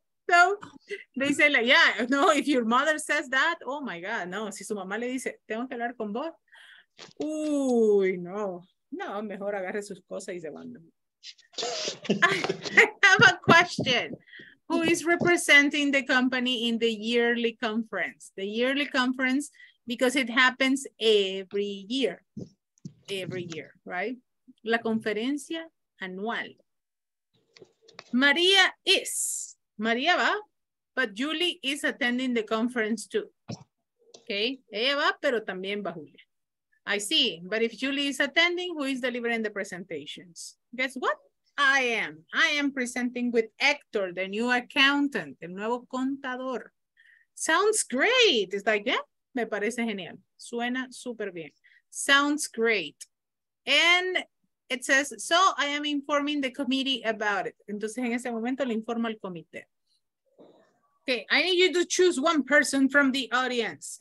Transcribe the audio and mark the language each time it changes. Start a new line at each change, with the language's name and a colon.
English: So, they say like, yeah, no, if your mother says that, oh my God, no.
Spanish: Si su mamá le dice, tengo que hablar con vos. Uy, no. No, mejor agarre sus cosas y se van.
English: I have a question. Who is representing the company in the yearly conference? The yearly conference, because it happens every year. Every year, right?
Spanish: La conferencia anual.
English: María is. María va, but Julie is attending the conference too. Okay?
Spanish: Ella va, pero también va Julia.
English: I see. But if Julie is attending, who is delivering the presentations? Guess what? I am. I am presenting with Hector, the new accountant,
Spanish: el nuevo contador.
English: Sounds great. It's like, yeah,
Spanish: me parece genial. Suena súper bien.
English: Sounds great. And it says, so I am informing the committee about it.
Spanish: Entonces, en ese momento, le informo al comité.
English: Okay, I need you to choose one person from the audience.